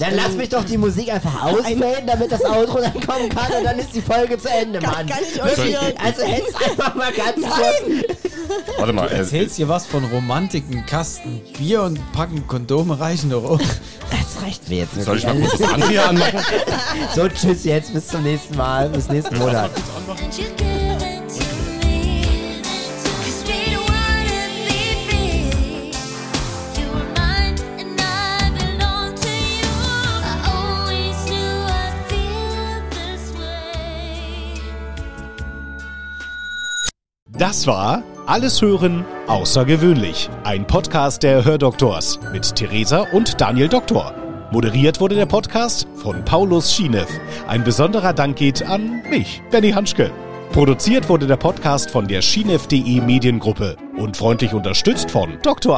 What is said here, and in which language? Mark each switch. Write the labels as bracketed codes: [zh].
[de] Dann lass mich doch die Musik einfach ausmelden, damit das Outro dann kommen kann und dann ist die Folge zu Ende, Mann. Kann ich euch hier... Warte mal. Du erzählst hier was von Romantik, einen Kasten Bier und packen Kondome reichen doch auch. Das reicht mir jetzt. Soll ich mal kurz das Handy anmachen? So, tschüss jetzt, bis zum nächsten Mal, bis nächsten Monat. [en] And you give it to me, 'cause we don't wanna be free. You were mine and I belong to you. I always knew I'd feel this way. [de] Das war Alles hören, außergewöhnlich. Ein Podcast der Hördoktors mit Theresa und Daniel Doktor. Moderiert wurde der Podcast von Paulus Schienef. Ein besonderer Dank geht an mich, Benny Hanschke. Produziert wurde der Podcast von der Schienef.de Mediengruppe und freundlich unterstützt von Dr.